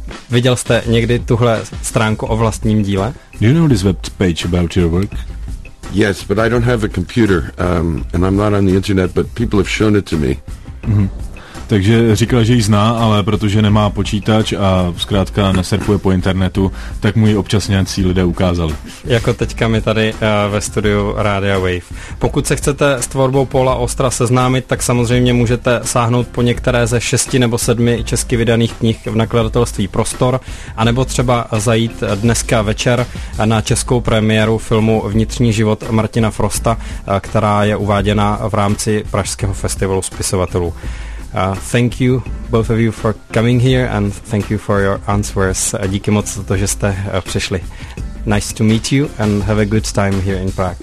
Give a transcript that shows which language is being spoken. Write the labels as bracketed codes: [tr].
[cs] Viděl jste někdy tuhle stránku o vlastním díle? [en] Do you know this web page about your work? Yes, but I don't have a computer, and I'm not on the internet, but people have shown it to me. Mm-hmm. [cs] Takže říkal, že ji zná, ale protože nemá počítač a zkrátka nesurfuje po internetu, tak mu ji občas nějací lidé ukázali. Jako teďka mi tady ve studiu Radia Wave. Pokud se chcete s tvorbou Paula Austera seznámit, tak samozřejmě můžete sáhnout po některé ze 6 nebo 7 česky vydaných knih v nakladatelství Prostor, anebo třeba zajít dneska večer na českou premiéru filmu Vnitřní život Martina Frosta, která je uváděna v rámci Pražského festivalu spisovatelů. [en] Thank you both of you for coming here and thank you for your answers. [cs] Díky moc za to, že jste přišli. [en] Nice to meet you and have a good time here in Prague.